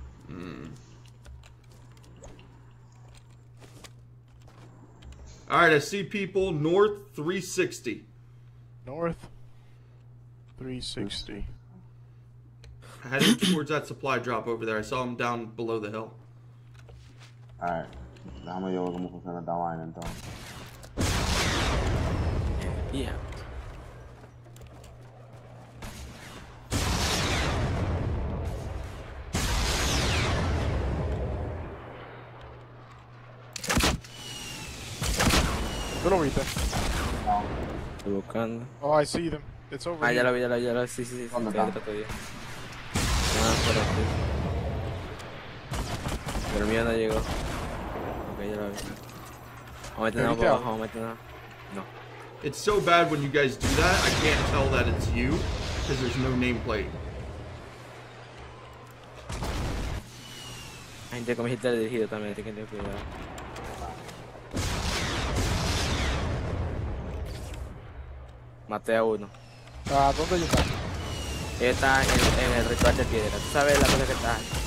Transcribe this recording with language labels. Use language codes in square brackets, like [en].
[en] Alright, I see people. North 360. North 360. Heading towards that supply drop over there. I saw him down below the hill. Alright. [es] Déjame yo ver cómo funciona esta vaina entonces. [en] Yeah. [es] ¿Tú lo viste? No. Estoy buscando. [en] Oh, I see them. It's over here. [es] Ah, ya lo vi. Sí. ¿Dónde está? Ah, pero sí. Pero mira, no llegó. Vamos a meternos por abajo. [en] It's so bad when you guys do that, I can't tell that it's you, because there's no nameplate. [es] La gente con mi hit teledirigido también, tiene que tener cuidado. Maté a uno. ¿A dónde yo estoy? Él está en el ritual de piedra, tú sabes la cosa que está.